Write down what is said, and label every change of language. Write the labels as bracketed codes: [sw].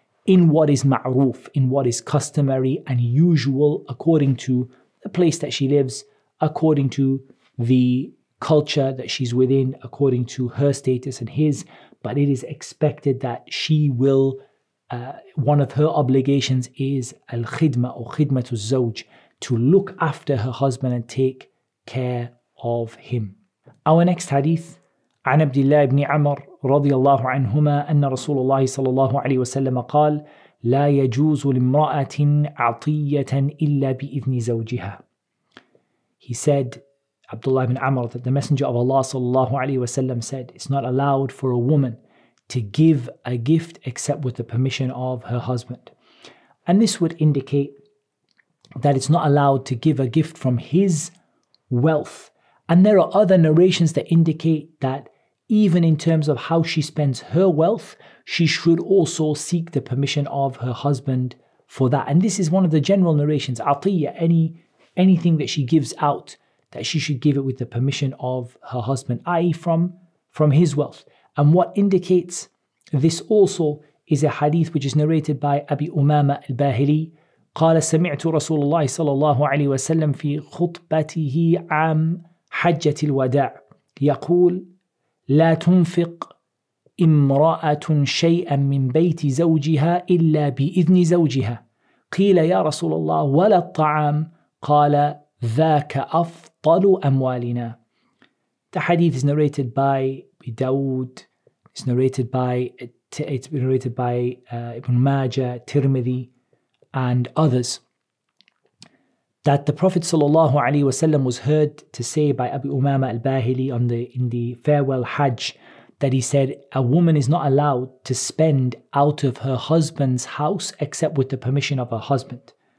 [en] in what is ma'roof, in what is customary and usual, according to the place that she lives, according to the culture that she's within, according to her status and his. But it is expected that she will, one of her obligations is al-khidma or khidmatu zawj, to look after her husband and take care of him. Our next hadith, [ar] عن عبد الله بن عمر رضي الله عنهما أن رسول الله صلى الله عليه وسلم قال لا يجوز لامرأة عطية إلا بإذن زوجها. [en] He said, Abdullah ibn Amr, that the Messenger of Allah صلى الله عليه وسلم said, it's not allowed for a woman to give a gift except with the permission of her husband. And this would indicate that it's not allowed to give a gift from his wealth. And there are other narrations that indicate that even in terms of how she spends her wealth, she should also seek the permission of her husband for that. And this is one of the general narrations, atiyya, anything that she gives out, that she should give it with the permission of her husband, i.e. from his wealth. And what indicates this also is a hadith which is narrated by Abi Umama al-Bahili. [ar] قال سمعت رسول الله صلى الله عليه وسلم في خطبته عام حجة الوداع يقول لا تنفق امرأة شيئا من بيت زوجها إلا بإذن زوجها قيل يا رسول الله ولا الطعام قال ذاك أفضل أموالنا. [en] The hadith is narrated by Dawood. It's narrated by Ibn Majah, Tirmidhi, and others, that the Prophet sallallahu alaihi wasallam was heard to say by Abu Umama al-Bahili in the farewell Hajj, that he said a woman is not allowed to spend out of her husband's house except with the permission of her husband.